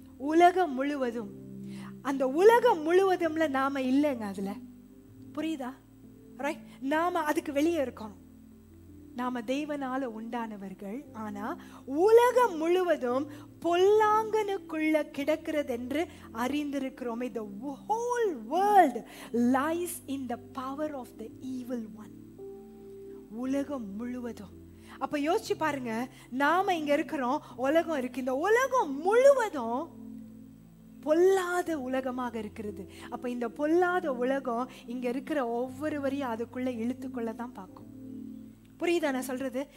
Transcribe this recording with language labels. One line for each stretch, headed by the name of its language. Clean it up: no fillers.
Tamil: உலகம் முழுவதும், அந்த உலகம் முழுவதும்ல நாம இல்லைங்க அதுல. புரியுதா? ரைட். நாம அதுக்கு வெளியே இருக்கணும். நாம தேவனால உண்டானவர்கள், ஆனா உலகம் முழுவதும் பொல்லாங்கனுக்குள்ள கிடக்கிறது என்று அறிந்திருக்கிறோம்.
English: The whole world lies in the power of the evil one.
Tamil: உலகம் முழுவதும். அப்ப யோசிச்சு பாருங்க, நாம இங்க இருக்கிறோம், உலகம் இருக்கு. இந்த உலகம் முழுவதும் பொல்லாத உலகமாக இருக்கிறது. அப்ப இந்த பொல்லாத உலகம் இங்க இருக்கிற ஒவ்வொருவரையும் அதுக்குள்ள இழுத்துக்கொள்ளதான் பார்க்கும். புரியுதா நான் சொல்றது?